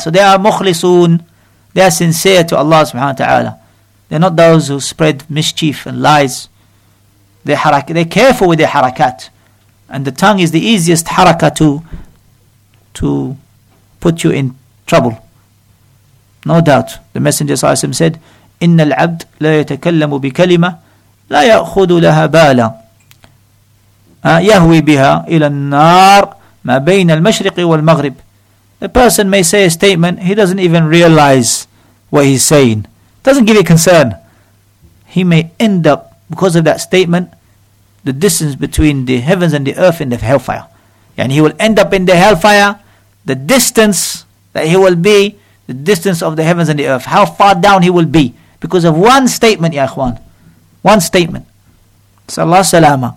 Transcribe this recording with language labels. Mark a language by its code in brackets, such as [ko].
[en] So they are mukhlisoon, they are sincere to Allah subhanahu wa ta'ala. They're not those who spread mischief and lies. They're careful with their harakat. And the tongue is the easiest harakat to put you in trouble. No doubt. The Messenger sallallahu alayhi wa sallam said, [ar] إِنَّ الْعَبْدْ لَا يَتَكَلَّمُ بِكَلِمَةٍ لَا يَأْخُذُ لَهَا بَالًا يَهْوِي بِهَا إِلَى النَّارِ مَا بَيْنَ الْمَشْرِقِ وَالْمَغْرِبِ. [en] The person may say a statement, he doesn't even realize what he's saying. Doesn't give you concern. He may end up, because of that statement, the distance between the heavens and the earth in the hellfire. And he will end up in the hellfire, the distance that he will be, the distance of the heavens and the earth, how far down he will be, because of one statement, ya akhwan. One statement. Sallallahu alayhi wa sallam.